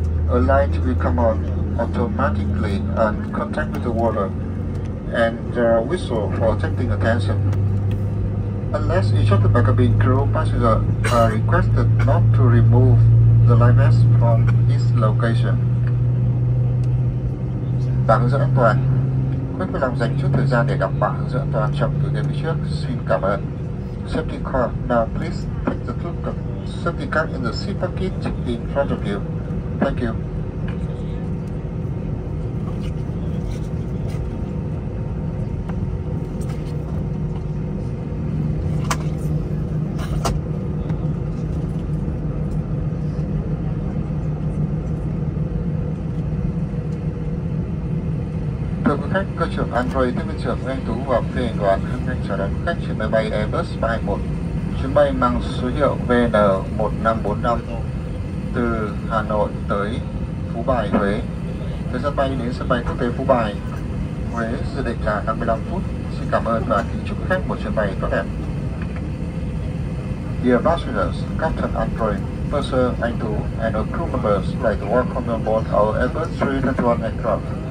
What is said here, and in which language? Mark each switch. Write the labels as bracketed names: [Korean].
[English] A light will come on automatically and contact with the water, and there are whistle for attracting attention. Unless instructed by cabin crew, passengers are requested not to remove the life vest from its location. [Vietnamese] Bảng hướng dẫn an toàn. Quý khách dành chút thời gian để đọc bảng hướng dẫn an toàn trong từ ghế phía trước. Xin cảm ơn. [English] Safety card. Now please take the look of safety card in the seat pocket in front of you. Thank you. [Vietnamese] Cơ trưởng Andrei, tiếp viên trưởng Nguyễn Tú và phi hành đoàn hân hạnh chào đón khách trên máy bay Airbus 321. Chuyến bay mang số hiệu VN1545 từ Hà Nội tới Phú Bài, Huế. Thời gian bay đến sân bay quốc tế Phú Bài, Huế dự định là 55 phút. Xin cảm ơn và kính chúc khách một chuyến bay tốt đẹp. [English] Dear passengers, Captain Andrei, Purser Anh Tú and the crew members would like to welcome you aboard our Airbus 321 aircraft.